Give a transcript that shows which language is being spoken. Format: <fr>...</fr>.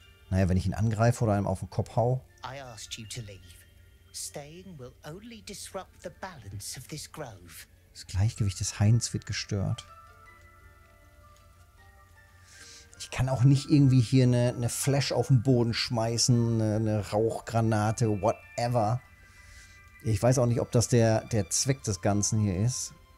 <de>Naja, wenn ich ihn angreife oder einem auf den Kopf hau.</de> <en>I asked you to leave. Staying will only disrupt the balance of this grove.</en> <de>Das Gleichgewicht des Hains wird gestört. Ich kann auch nicht irgendwie hier eine Flash auf den Boden schmeißen, eine Rauchgranate, whatever. Ich weiß auch nicht, ob das der Zweck des Ganzen hier ist.</de>